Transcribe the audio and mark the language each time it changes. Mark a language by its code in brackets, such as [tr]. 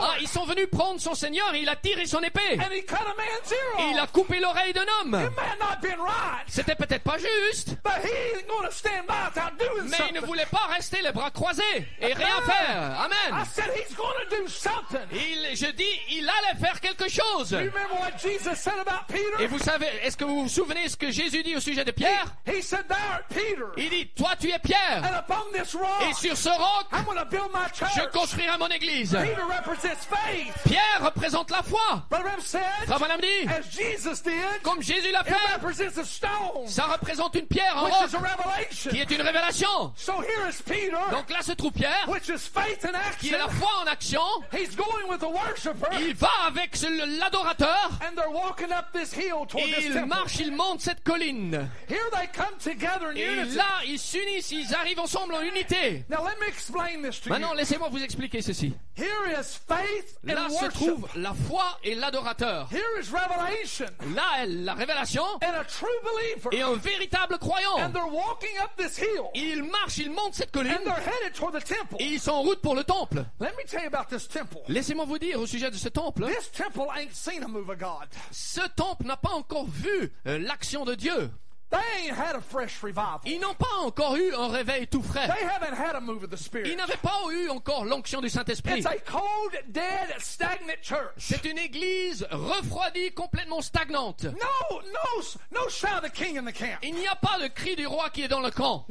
[fr] Ah, ils sont venus prendre son seigneur et il a tiré son épée. [en] And he cut a man's ear off. [fr] Et il a coupé l'oreille d'un homme. [en] It may not been right. [fr] C'était peut-être pas juste. [en] But he ain't gonna stand by without doing [fr] Mais [en] something. [fr] Il ne voulait pas rester les bras croisés et [en] Amen. [fr] Rien faire. Amen. [en] I said he's gonna do something. [fr] Je dis, il allait faire quelque chose. [en] You remember what Jesus said about Peter? [fr] Et vous savez, est-ce que vous vous souvenez ce que Jésus dit au sujet de Pierre? [en] He said, thou art Peter. [fr] Il dit, toi tu es Pierre. [en] And upon this rock, [fr] et sur ce roc, [en] I'm gonna build my church. [fr] Je construirai mon église. [en] Peter represents faith. [fr] Pierre représente la foi. Frère Branham dit, [en] as Jesus did, [fr] comme Jésus l'a fait, [en] it represents a stone, [fr] ça représente une pierre, un [en] which [fr] roc, [en] is a revelation. [fr] Qui est une révélation. [en] So here is Peter, [fr] donc là se trouve Pierre, [en] which is faith in action. [fr] Qui est la foi en action. [en] He's going with the worshiper. [fr] Il va avec l'adorateur. [en] And they're walking up this hill toward [fr] et [en] this [fr] il [en] temple. [fr] Marche, il monte cette colline. [en] Here they come together in [fr] et [en] unity. [fr] Là, ils s'unissent, ils arrivent ensemble en unité. [en] Now, let me explain this to [fr] maintenant, [en] you. [fr] Laissez-moi vous expliquer ceci. [en] Here is faith [fr] là [en] and [fr] se [en] worship. [fr] Trouve la foi et l'adorateur. [en] Here is revelation. [fr] Là est la révélation [en] and a true believer. [fr] Et un véritable croyant. [en] And they're walking up this hill. [fr] Ils marchent, ils montent cette colline [en] and they're headed toward the temple. [fr] Et ils sont en route pour le temple. [en] Let me tell you about this temple. [fr] Laissez-moi vous dire au sujet de ce temple. [en] This temple ain't seen a move of God. [fr] Ce temple n'a pas encore vu l'action de Dieu. [en] They ain't had a fresh revival. [fr] Ils n'ont pas encore eu un réveil tout frais. [en] They haven't had a move of the Spirit. [fr] Ils n'avaient pas eu encore l'onction du Saint-Esprit. [en] It's a cold, dead, stagnant church. [fr] C'est une église refroidie, complètement stagnante. [en] No shout of the king in the camp. [fr] Il n'y a pas le cri du roi qui est dans le camp.